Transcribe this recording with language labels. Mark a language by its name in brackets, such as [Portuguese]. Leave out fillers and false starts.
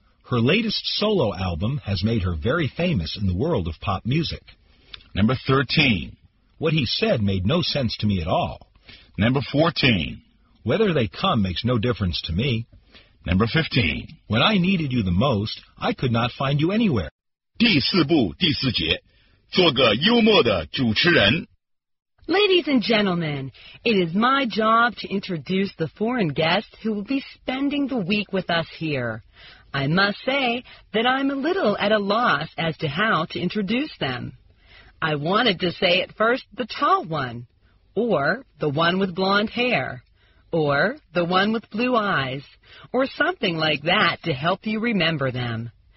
[English] Her latest solo album has made her very famous in the world of pop music. Number 13. What he said made no sense to me at all. Number 14. Whether they come makes no difference to me. Number 15. When I needed you the most, I could not find you anywhere. [Chinese] 第四部第四节, 做个幽默的主持人。 [English] Ladies and gentlemen, it is my job to introduce the foreign guest who will be spending the week with us here. I must say that I'm a little at a loss as to how to introduce them. I wanted to say at first the tall one, or the one with blonde hair, or the one with blue eyes, or something like that to help you remember them.